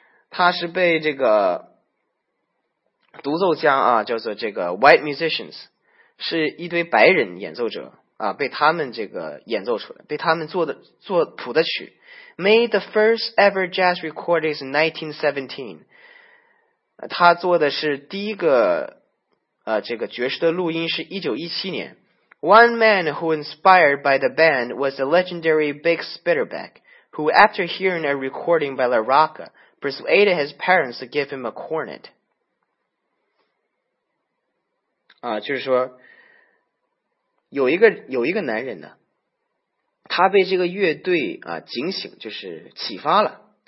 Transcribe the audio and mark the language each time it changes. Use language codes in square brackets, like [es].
[zh] 他是被这个独奏家啊叫做这个 [en] white musicians, [zh] 是一堆白人演奏者啊被他们这个演奏出来被他们做谱的曲 [en] ,made the first ever jazz recordings in 1917, [zh] 他做的是第一个这个爵士的录音是1917年。 [en] One man who inspired by the band was the legendary Big Spitterbeck, who after hearing a recording by LaRocca, persuaded his parents to give him a cornet. [zh] 就是说有一个男人呢他被这个乐队警醒就是启发了。